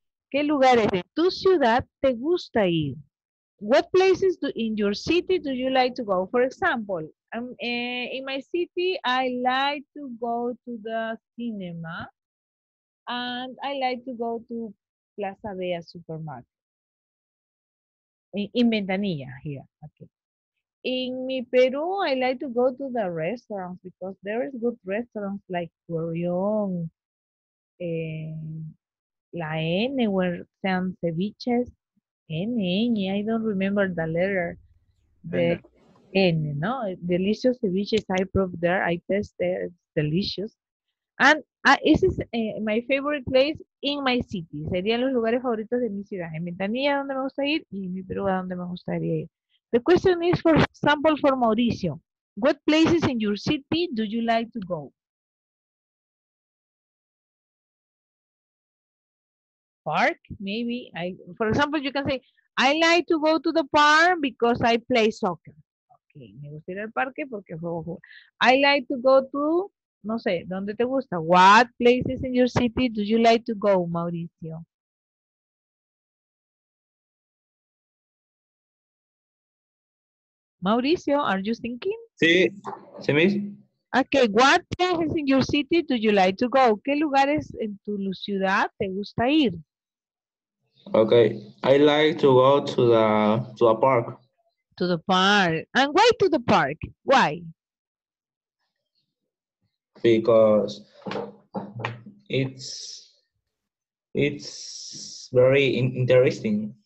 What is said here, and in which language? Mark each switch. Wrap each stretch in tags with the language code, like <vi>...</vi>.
<es>¿Qué lugares de tu ciudad te gusta ir?</es> <en>What places in your city do you like to go? For example, in my city, I like to go to the cinema and I like to go to Plaza Vea supermarket. In Ventanilla here. Okay. In mi Peru, I like to go to the restaurants because there is good restaurants like Corrión, La N, where San Ceviches. N, I don't remember the letter. N, no? Delicious ceviches, I proved there, I tested, it's delicious. And this is my favorite place in my city.</en> <es>Serían los lugares favoritos de mi ciudad. En Ventanilla, donde me gusta ir, y en mi Perú, donde me gustaría ir.</es> <en>The question is, for example, for Mauricio. What places in your city do you like to go? Park, maybe. For example, you can say, I like to go to the park because I play soccer.</en> <es>Okay, me gusta ir al parque porque juego.</es> <en>I like to go to,</en> <es>no sé, ¿dónde te gusta?</es> <en>What places in your city do you like to go, Mauricio? Mauricio, are you thinking?</en> <es>Sí, se me dice.</es> <en>Okay, what places in your city do you like to go?</en> <es>¿Qué lugares en tu ciudad te gusta ir?</es> <en>Okay, I like to go to the park. To the park. And why to the park? Why? Because it's very interesting.</en>